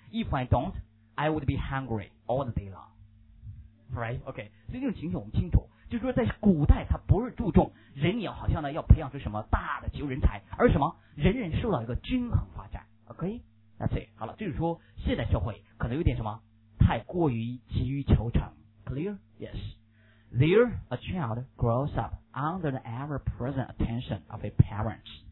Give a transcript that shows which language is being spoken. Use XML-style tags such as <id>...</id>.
<en>If I don't, I would be hungry all the day long. Right? OK.</en> <zh>所以这种情形我们清楚，就是说在古代它不是注重人，你好像呢要培养出什么大的球人才，而什么人人受到一个均衡发展。</zh> <en>OK? That's it.</en> <zh>好了，就是说现代社会可能有点什么太过于急于求成。</zh> <en>Clear? Yes. There, a child grows up under the ever-present attention of a parent.</en>